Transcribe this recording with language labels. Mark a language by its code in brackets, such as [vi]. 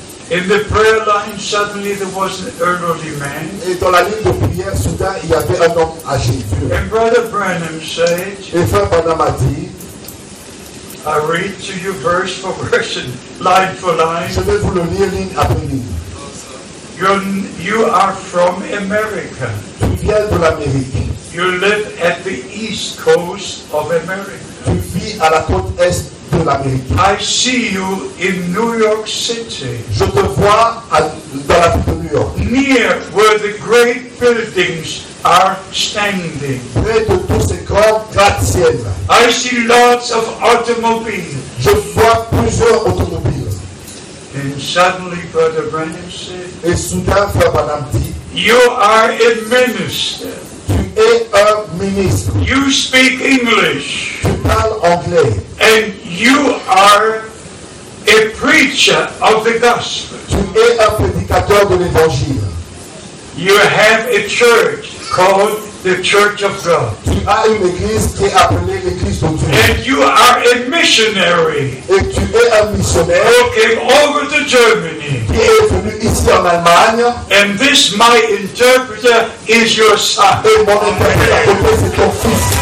[en] In the prayer line, suddenly there was an elderly man. [fr] Et dans la ligne de prière, soudain, il y avait un homme âgé. [en] And Brother Branham said, [fr] et Frère Branham a dit, [en] I read to you verse for verse, line for line. [fr] Je vais vous le lire ligne après ligne. [en] You are from America. [fr] Tu viens de l'Amérique. [en] You live at the east coast of America. [fr] Tu vis à la côte est de l'Amérique. [en] I see you in New York City. [fr] Je te vois dans la ville de New York. [en] Near where the great buildings are standing. [fr] Près de tous ces grands gratte-ciels. [en] I see lots of automobiles. [fr] Je vois plusieurs automobiles. [en] And suddenly, Brother Branham said, [fr] et soudain, Frère Branham dit, [en] you are a minister. [fr] Tu es un ministre. [en] You speak English. [fr] Tu parles anglais. [en] And you are a preacher of the gospel. [fr] Tu es un prédicateur de l'évangile. [en] You have a church called the Church of God. [fr] Tu as une église qui est appelée l'Église de Dieu. [en] And you are a missionary. [fr] Et tu es un missionnaire. [en] Who came over to Germany. [fr] Qui est venu ici en Allemagne. [en] And this, my interpreter, is your son. [fr] Et mon interpréteur, c'est ton fils.